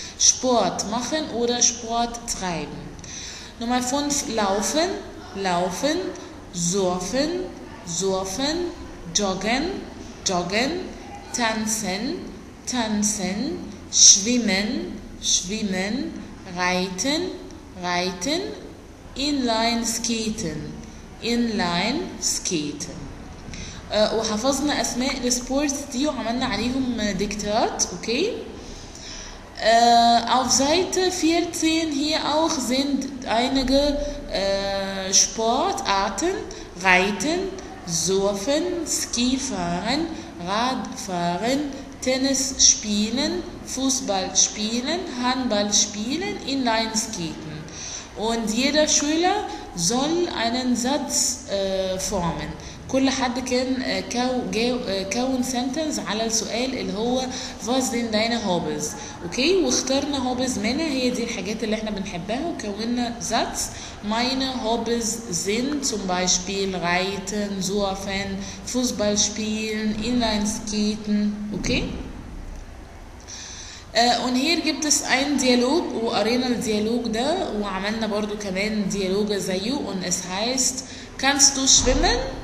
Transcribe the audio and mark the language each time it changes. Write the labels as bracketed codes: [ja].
[de] Sport machen oder Sport treiben. Nummer 5, laufen, laufen, surfen, surfen, joggen, joggen, tanzen, tanzen, schwimmen, schwimmen, reiten, reiten, inline skaten, inline skaten. [ar] وحفظنا اسماء السبورتس دي وعملنا عليهم ديكتات. [de] اوكي auf Seite 14 hier auch sind einige Sportarten reiten, surfen, skifahren, radfahren, tennis spielen, fußball spielen, handball spielen, inline skaten. Und jeder Schüler soll einen Satz formen. [ar] كل حد كان كون سنتنس على السؤال اللي هو [de] was in deine hobbies. [ar] اوكي واخترنا hobbies منها هي دي الحاجات اللي احنا بنحبها وكوننا ذات [de] meine hobbies sind zum Beispiel reiten, surfen, fußball spielen, inline skaten. اوكي und hier gibt es einen Dialog [ar] وقرينا الديالوج ده وعملنا برضو كمان ديالوج زيه [de] und es heißt kannst du schwimmen?